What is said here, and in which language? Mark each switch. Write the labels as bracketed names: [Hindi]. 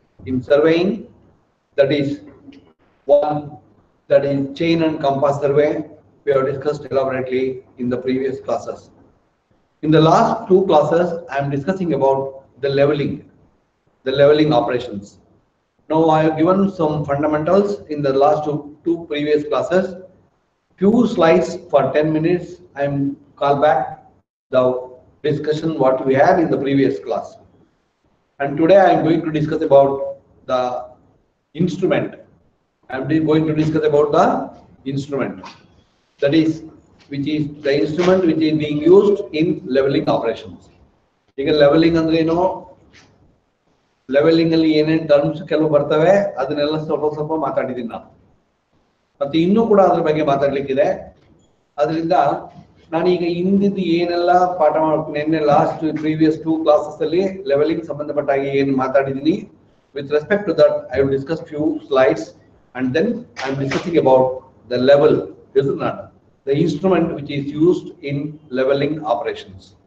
[English] In surveying that is one that is chain and compass survey we have discussed elaborately in the previous classes. In the last two classes I am discussing about the leveling the leveling operations. Now I have given some fundamentals in the last two previous classes. Few slides for 10 minutes I am call back the discussion what we had in the previous class. And today I am going to discuss about the instrument. I am going to discuss about the instrument, that is which is the instrument which is being used in leveling operations. [Kannada] Ega leveling andre eno, levelling ಅಲ್ಲಿ ಏನೇನು terms ಕೆಲವು ಬರ್ತವೆ ಅದನ್ನೆಲ್ಲ ಸ್ವಲ್ಪ ಸ್ವಲ್ಪ ಮಾತಾಡಿದ್ದೀನಿ ನಾನು, ಮತ್ತೆ ಇನ್ನೂ ಕೂಡ ಅದ್ರ ಬಗ್ಗೆ ಮಾತಾಡ್ಲಿಕ್ಕಿದೆ. ಅದರಿಂದ ನಾನೀಗ ಹಿಂದಿದ್ದು ಏನೆಲ್ಲ ಪಾಠ ಮಾಡ್ತೀನಿ, ನಿನ್ನೆ ಲಾಸ್ಟ್ ಪ್ರೀವಿಯಸ್ ಟೂ ಕ್ಲಾಸಸ್ ಅಲ್ಲಿ ಲೆವೆಲಿಂಗ್ ಸಂಬಂಧಪಟ್ಟ ಹಾಗೆ ಏನು ಮಾತಾಡಿದ್ದೀನಿ, [English] With respect to that I will discuss few slides and then I am discussing about the level is not the instrument which is used in leveling operations.